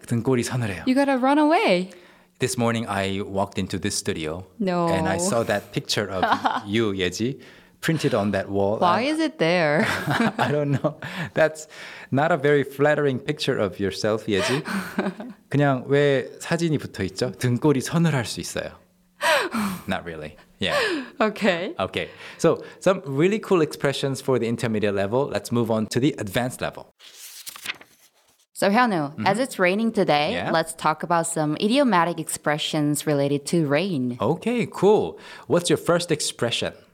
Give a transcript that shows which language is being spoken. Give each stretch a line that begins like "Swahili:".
Korean: 등골이 서늘해요.
English: You gotta run away. This morning, I walked into this studio. No. And I saw that picture of you, Yeji, printed on that wall. Why is it there? I don't know. That's not a very flattering picture of yourself, Yeji.
Korean: 그냥 왜 사진이 붙어 있죠? 등골이 서늘할 수 있어요.
English: Not really. Yeah. Okay. Okay. So some really cool expressions for the intermediate level. Let's move on to the advanced level. So Hyunwoo, mm-hmm. as it's raining today, yeah. let's talk about some idiomatic expressions related to rain. Okay, cool. What's your first expression?